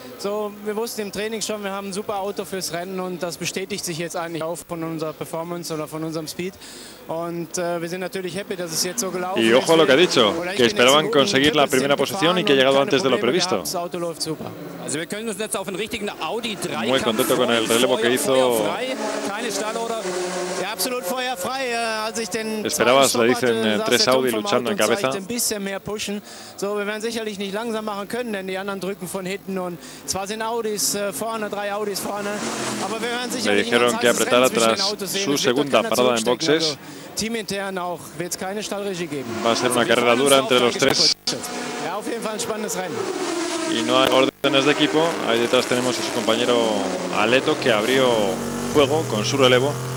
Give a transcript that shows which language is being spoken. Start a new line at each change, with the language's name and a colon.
German: So, wir wussten im Training schon, wir haben ein super Auto fürs Rennen und das bestätigt sich jetzt eigentlich auch von unserer Performance oder von unserem Speed. Und wir sind natürlich happy, dass es jetzt so gelaufen ist.
Spanish: Y ojo a lo que ha dicho, que esperaban conseguir la primera posición y que ha llegado antes de lo previsto.
German: Das Auto läuft super. Also wir können uns jetzt auf einen richtigen Audi 3.
Spanish: Muy contento con el relevo que hizo.
German: Keine Startorder. Ja, absolut feuerfrei. Als ich den
Spanish: esperabas, le dicen tres Audi luchando en cabeza.
German: Ein bisschen mehr pushen. So, wir werden sicherlich nicht langsam machen können, denn die anderen drücken von hinten und zwar sind Audis vorne, drei Audis vorne, aber wir werden sicherlich nicht langsam machen können.
Spanish: Dijeron que apretara tras su segunda parada en boxes.
German: Teamintern auch, wird es keine Stallregie geben.
Spanish: Va a ser una carrera dura entre los tres.
German: Ja, auf jeden Fall ein spannendes Rennen.
Spanish: Y no hay órdenes de equipo. Ahí detrás tenemos a su compañero Aleto, que abrió juego con su relevo.